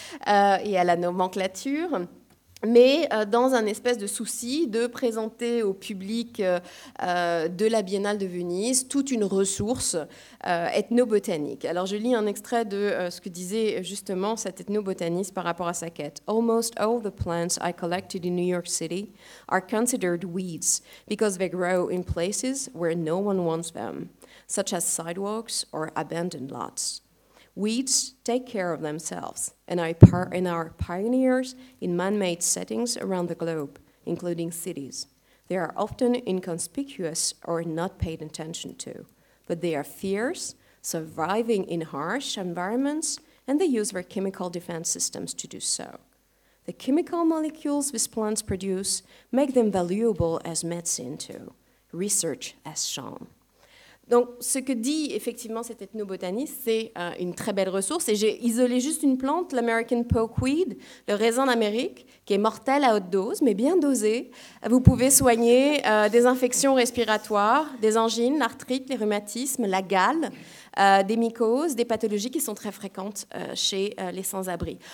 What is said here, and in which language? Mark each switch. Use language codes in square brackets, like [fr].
[fr] et à la nomenclature, mais dans un espèce de souci de présenter au public de la Biennale de Venise toute une ressource ethnobotanique. Alors je lis un extrait de ce que disait justement cet ethnobotaniste par rapport à sa quête. [en] Almost all the plants I collected in New York City are considered weeds because they grow in places where no one wants them, such as sidewalks or abandoned lots. Weeds take care of themselves and are pioneers in man-made settings around the globe, including cities. They are often inconspicuous or not paid attention to, but they are fierce, surviving in harsh environments, and they use their chemical defense systems to do so. The chemical molecules these plants produce make them valuable as medicine too. Research has shown. [fr] Donc, ce que dit effectivement cet ethnobotaniste, c'est une très belle ressource. Et j'ai isolé juste une plante, l'American pokeweed, le raisin d'Amérique, qui est mortel à haute dose, mais bien dosé. Vous pouvez soigner des infections respiratoires, des angines, l'arthrite, les rhumatismes, la gale, des mycoses, des pathologies qui sont très fréquentes chez les sans-abri.